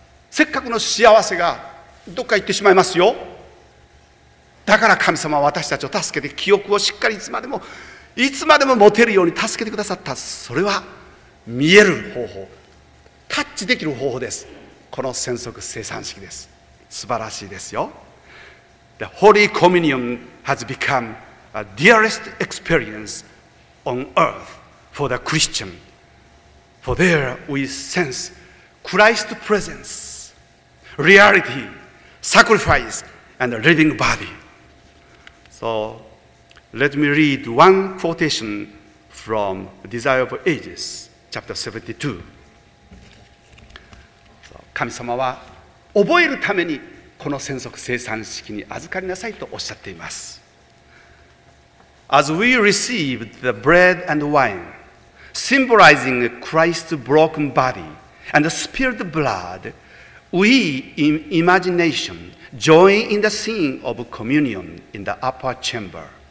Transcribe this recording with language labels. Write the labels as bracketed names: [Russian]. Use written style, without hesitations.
[Japanese] せっかくの幸せがどっか行ってしまいますよ。だから神様は私たちを助けて、記憶をしっかりいつまでも持てるように助けてくださった。それは見える方法、タッチできる方法です。この先祖生産式です。素晴らしいですよ。 [English] The Holy Communion has become a dearest experience on earth for the Christian, for there we sense Christ's presence, reality, sacrifice and the living body. So let me read one quotation from Desire of Ages, chapter 72. [Japanese] 神様は覚えるためにこの先祖生産式に預かりなさいとおっしゃっています。 [English] As we received the bread and wine, symbolizing Christ's broken body and the spilled blood, we in imagination join in the scene of communion in the upper chamber.